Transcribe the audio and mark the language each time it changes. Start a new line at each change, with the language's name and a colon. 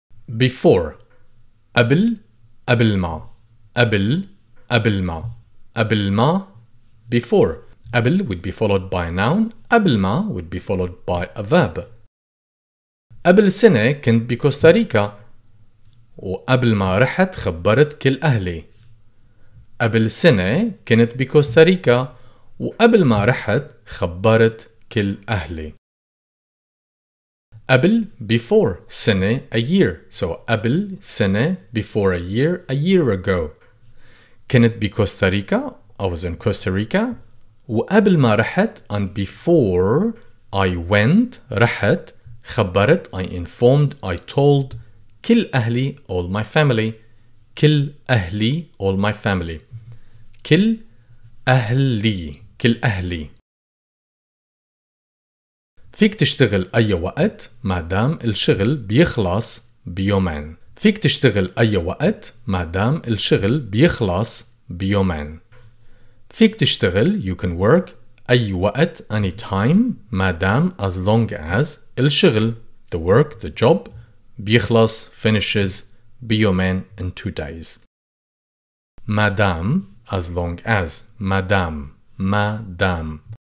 English: Before.
Arabic: قبل. قبل ما. قبل. قبل ما. قبل ما. Before.
English: قبل would be followed by a noun. قبل ما would be followed by a verb.
Arabic: قبل سنة كنت بكوستاريكا وقبل ما رحت خبرت كل أهلي. قبل سنة كنت بكوستاريكا وقبل ما رحت خبرت كل أهلي.
English: قبل before سنة a year. So
Arabic: قبل سنة
English: before a year ago.
Arabic: كنت بكوستاريكا
English: I was in Costa Rica
Arabic: وقبل ما رحت
English: and before I went
Arabic: رحت خبرت
English: I informed I told
Arabic: كل أهلي
English: all my family.
Arabic: كل أهلي
English: all my family.
Arabic: كل أهلي. كل أهلي. فيك تشتغل أي وقت ما دام الشغل بيخلص بيومين. فيك تشتغل أي وقت ما دام الشغل بيخلص بيومين. فيك تشتغل
English: you can work
Arabic: أي وقت
English: any time
Arabic: ما دام
English: as long as
Arabic: الشغل
English: the work the job
Arabic: بيخلص
English: finishes
Arabic: بيومين
English: in 2 days.
Arabic: ما دام
English: as long as
Arabic: مادام مادام.